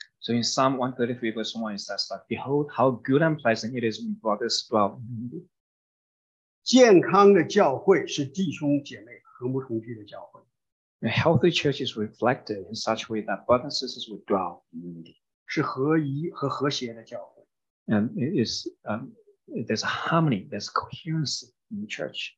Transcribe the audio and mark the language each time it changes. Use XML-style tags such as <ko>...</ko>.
<en>So in Psalm 133 verse 1 it says that behold how good and pleasant it is when brothers dwell.</en> <zh>健康的教会是弟兄姐妹和睦同居的教会。</zh> <en>A healthy church is reflected in such a way that brothers and sisters would dwell in unity.</en> <zh>是合一和和谐的教会。</zh> <en>And it is, there's a harmony, there's coherence in the church.</en>